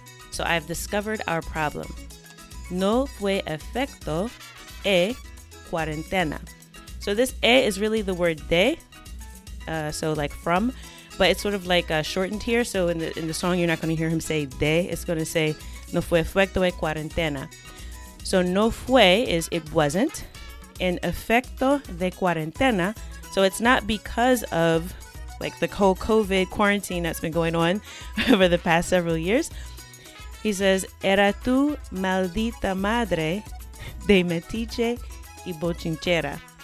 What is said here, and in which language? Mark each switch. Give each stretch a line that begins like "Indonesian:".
English: So I've discovered our problem.
Spanish: No fue efecto e cuarentena.
English: So this e is really the word de, so like from, but it's sort of like shortened here. So in the song, you're not going to hear him say de. It's going to say,
Spanish: no fue efecto e cuarentena.
English: So
Spanish: no fue
English: is it wasn't.
Spanish: En efecto de cuarentena,
English: so it's not because of like the whole COVID quarantine that's been going on over the past several years. He says,
Spanish: era tu maldita madre de metiche y bochinchera.